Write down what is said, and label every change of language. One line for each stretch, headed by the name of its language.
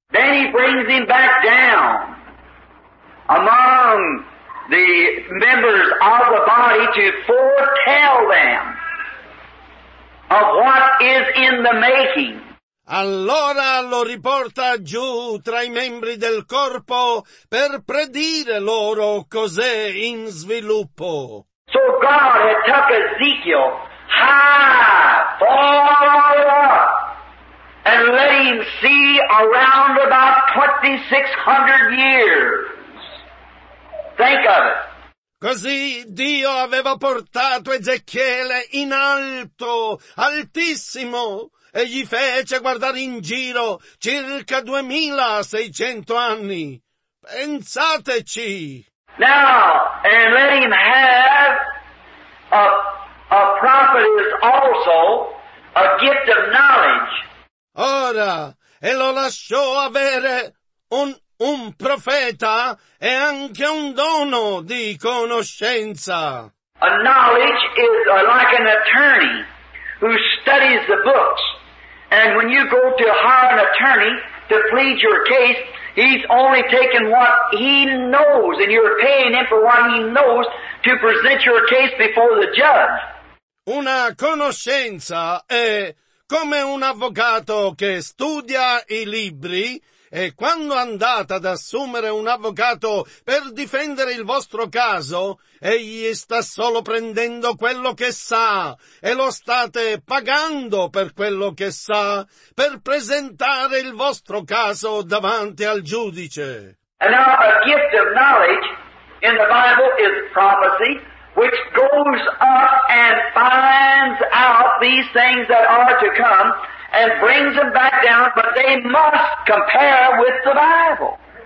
English: Then he brings him back down among the members of the body to foretell them of what is in the making.
Italian: Allora lo riporta giù tra i membri del corpo per predire loro cos'è in sviluppo.
English: So God had took Ezekiel high, far up, and let him see around about 2600 years. Think of it.
Italian: Così Dio aveva portato Ezechiele in alto, altissimo, e gli fece guardare in giro circa 2600 anni. Pensateci!
English: Now, and let him have a prophet is also a gift of knowledge.
Italian: Ora, e lo lasciò avere un profeta è anche un dono di conoscenza.
English: A knowledge is like an attorney who studies the books. And when you go to hire an attorney to plead your case, He's only taking what he knows, and you're paying him for what he knows to present your case before the judge.
Italian: Una conoscenza è come un avvocato che studia i libri. E quando andate ad assumere un avvocato per difendere il vostro caso, egli sta solo prendendo quello che sa e lo state pagando per quello che sa per presentare il vostro caso davanti al giudice.
English: And now a gift of knowledge in the Bible is prophecy, which goes up and finds out these things that are to come. And brings them back down, but they must compare with the Bible.